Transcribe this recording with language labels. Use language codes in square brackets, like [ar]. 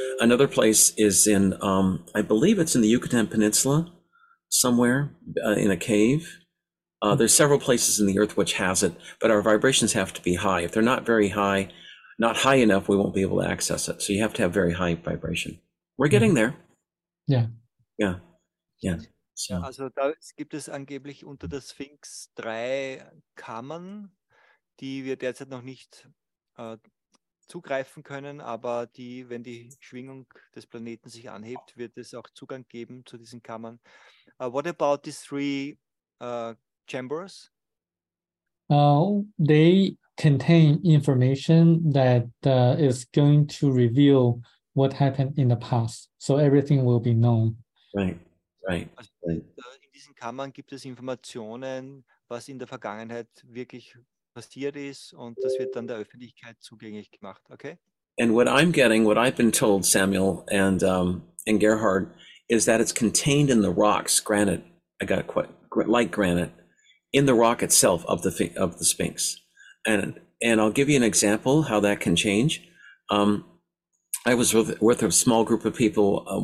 [en] Another place is in I believe it's in the Yucatan Peninsula somewhere, in a cave. There's several places in the Earth which has it, but our vibrations have to be high. If they're not very high, not high enough, we won't be able to access it. So you have to have very high vibration. We're getting there. Yeah. Yeah. Yeah. So. [de] Also, da gibt es angeblich unter der Sphinx drei Kammern, die wir derzeit noch nicht zugreifen können, aber die, wenn die Schwingung des Planeten sich anhebt, wird es auch Zugang geben zu diesen Kammern. [en] What about these three chambers? They contain information that is going to reveal what happened in the past. So everything will be known. Right. [de] Also, in diesen Kammern gibt es Informationen, was in der Vergangenheit wirklich passiert ist, und das wird dann der Öffentlichkeit zugänglich gemacht. [en] Okay. And what I'm getting, what I've been told, Samuel and Gerhard, is that it's contained in the rocks, granite. I got quite like granite in the rock itself of the Sphinx. And I'll give you an example how that can change. I was with a small group of people.